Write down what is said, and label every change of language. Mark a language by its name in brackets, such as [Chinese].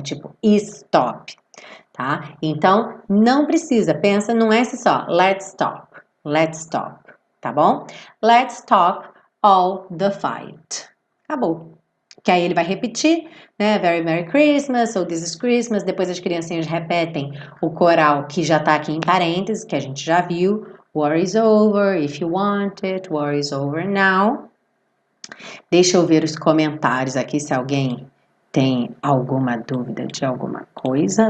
[Portuguese] Tipo, stop, tá? Então, não precisa, pensa num S só, [English] let's stop, [Portuguese] tá bom? [English] Let's stop all the fight. [Portuguese] Acabou. Que aí ele vai repetir, né? [English] Very Merry Christmas, so this is Christmas. [Portuguese] Depois as criancinhas repetem o coral que já tá aqui em parênteses, que a gente já viu. [English] War is over, if you want it, war is over now. [Portuguese] Deixa eu ver os comentários aqui se alguém tem alguma dúvida de alguma coisa.